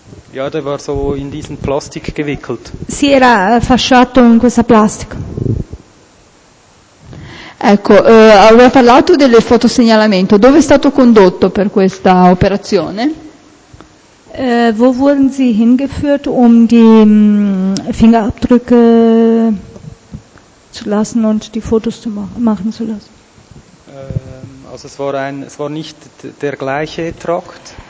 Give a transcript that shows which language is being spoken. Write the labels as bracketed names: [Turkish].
[German] Ja, der war so in diesen Plastik gewickelt. [Italian] Si era fasciato in questa plastica. Ecco, aveva parlato del fotosegnalamento. Dove è stato condotto per questa operazione? [German] Wo wurden Sie hingeführt, um die Fingerabdrücke zu lassen und die Fotos zu machen zu lassen. Also es war nicht der gleiche Trakt.